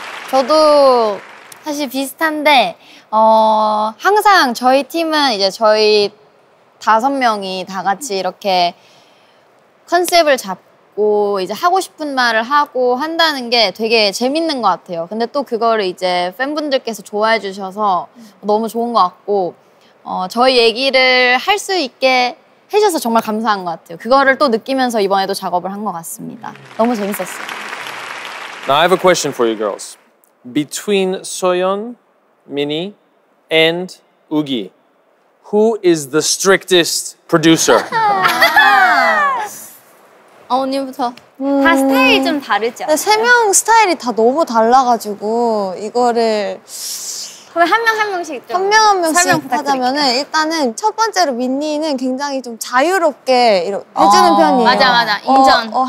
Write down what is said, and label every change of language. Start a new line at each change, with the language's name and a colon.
Korean: 저도 사실 비슷한데 항상 저희 팀은 이제 저희 다섯 명이 다 같이 이렇게 컨셉을 잡고 이제 하고 싶은 말을 하고 한다는 게 되게 재밌는 것 같아요. 근데 또 그거를 이제 팬분들께서 좋아해 주셔서 너무 좋은 것 같고 저희 얘기를 할 수 있게 해줘서 정말 감사한 것 같아요. 그거를 또 느끼면서 이번에도 작업을 한 것 같습니다. 너무 재밌었어요.
English: Now I have a question for you girls. Between Soyeon, Mini, and Ugi, who is the strictest producer?
Korean: 언니부터. 다 스타일이 좀 다르죠? 네, 세 명 스타일이 다 너무 달라가지고 이거를 그럼 한 명 한 명씩 좀 한 명 한 명씩 하자면 일단은 첫 번째로 민니는 굉장히 좀 자유롭게 해주는 편이에요. 맞아 맞아 인정.